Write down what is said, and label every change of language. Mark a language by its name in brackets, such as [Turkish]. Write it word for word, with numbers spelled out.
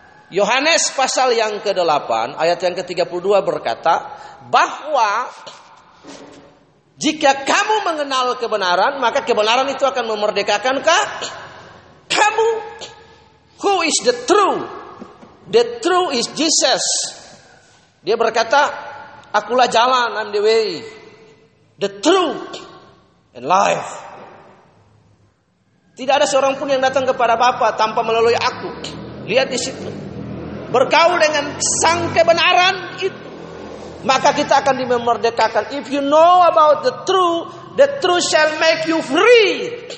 [Indonesian] Yohanes pasal yang kedelapan ayat yang ketiga puluh dua berkata bahwa jika kamu mengenal kebenaran, maka kebenaran itu akan memerdekakan kamu. [English] Who is the true? The true is Jesus. [Indonesian] Dia berkata, akulah jalan, [English] I'm the way, the truth and life. [Indonesian] Tidak ada seorang pun yang datang kepada Bapa tanpa melalui aku. Lihat di situ. Bergaul dengan sang kebenaran itu, maka kita akan dimerdekakan. [English] If you know about the truth, the truth shall make you free.